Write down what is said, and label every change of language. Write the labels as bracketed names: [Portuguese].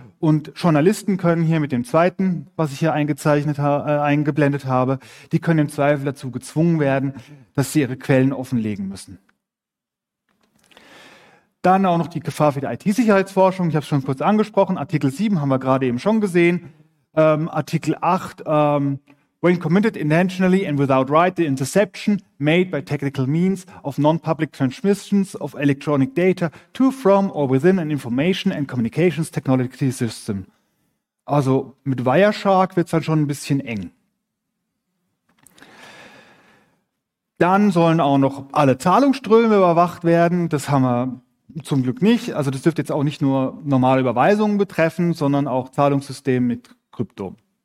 [German] Und Journalisten können hier mit dem zweiten, was ich hier eingeblendet habe, die können im Zweifel dazu gezwungen werden, dass sie ihre Quellen offenlegen müssen. Dann auch noch die Gefahr für die IT-Sicherheitsforschung. Ich habe es schon kurz angesprochen. Artikel 7 haben wir gerade eben schon gesehen. Artikel 8, [English] when committed intentionally and without right, the interception made by technical means of non-public transmissions of electronic data to, from or within an information and communications technology system. [German] Also mit Wireshark wird es dann schon ein bisschen eng. Dann sollen auch noch alle Zahlungsströme überwacht werden. Das haben wir zum Glück nicht. Also das dürfte jetzt auch nicht nur normale Überweisungen betreffen, sondern auch Zahlungssysteme mit Krypto.